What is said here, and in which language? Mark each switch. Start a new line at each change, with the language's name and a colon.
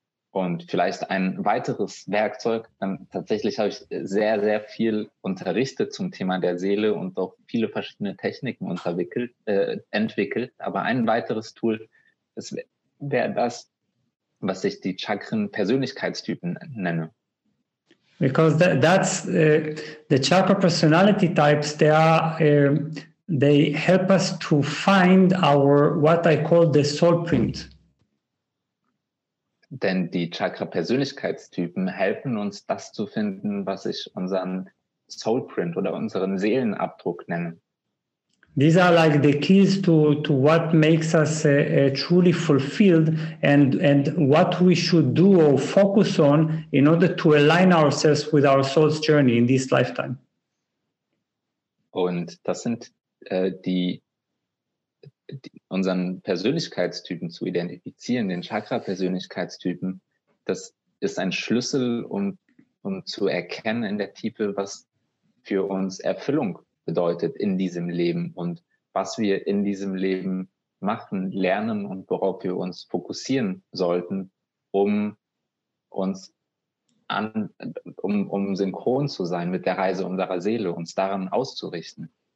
German: Und vielleicht ein weiteres Werkzeug, tatsächlich habe ich sehr, sehr viel unterrichtet zum Thema der Seele und auch viele verschiedene Techniken entwickelt, aber ein weiteres Tool wäre das, was ich die Chakren-Persönlichkeitstypen nenne.
English: Because that's the chakra personality types, they help us to find our, what I call the soul print.
German: Denn die Chakra-Persönlichkeitstypen helfen uns, das zu finden, was ich unseren soul print oder unseren Seelenabdruck nenne.
English: These are like the keys to what makes us truly fulfilled and what we should do or focus on in order to align ourselves with our soul's journey in this lifetime.
German: Und das sind die unseren Persönlichkeitstypen zu identifizieren, den Chakra-Persönlichkeitstypen, das ist ein Schlüssel, um zu erkennen in der Tiefe, was für uns Erfüllung bedeutet in diesem Leben und was wir in diesem Leben machen, lernen und worauf wir uns fokussieren sollten, um synchron zu sein mit der Reise unserer Seele, uns daran auszurichten.